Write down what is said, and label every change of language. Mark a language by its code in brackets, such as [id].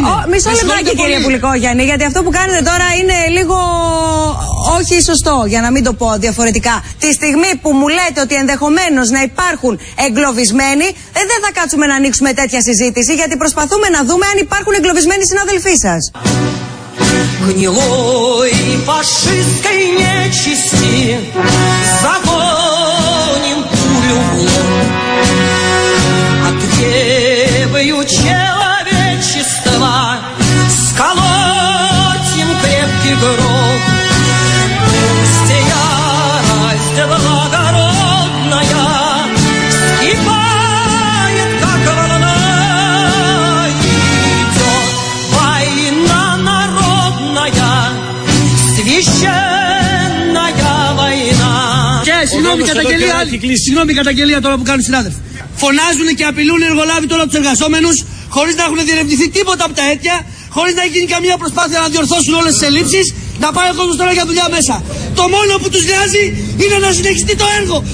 [el] Μισό λεπτάκι κύριε Πουλικόγιαννη, γιατί αυτό που κάνετε τώρα είναι λίγο. Όχι σωστό, για να μην το πω διαφορετικά. Τη στιγμή που μου λέτε ότι ενδεχομένως να υπάρχουν εγκλωβισμένοι, δεν θα κάτσουμε να ανοίξουμε τέτοια συζήτηση, γιατί προσπαθούμε να δούμε αν υπάρχουν εγκλωβισμένοι συναδελφοί σας. [ru] Гнилой фашистской нечисти Загоним пулю в лоб Отребую человечества Сколотим крепкий гроб Пусть ярость благородная Скипает, как волна Идет война народная Священная война [el] Και συγγνώμη καταγγελία άλλη, συγγνώμη καταγγελία τώρα που κάνουν συνάδελφοι. Φωνάζουν και απειλούν εργολάβοι τώρα τους εργαζόμενους χωρίς να έχουν διερευνηθεί τίποτα από τα αίτια, χωρίς να έχει γίνει καμία προσπάθεια να διορθώσουν όλες τις ελλείψεις, να πάει ο κόσμος τώρα για δουλειά μέσα. Το μόνο που τους νοιάζει είναι να συνεχιστεί το έργο.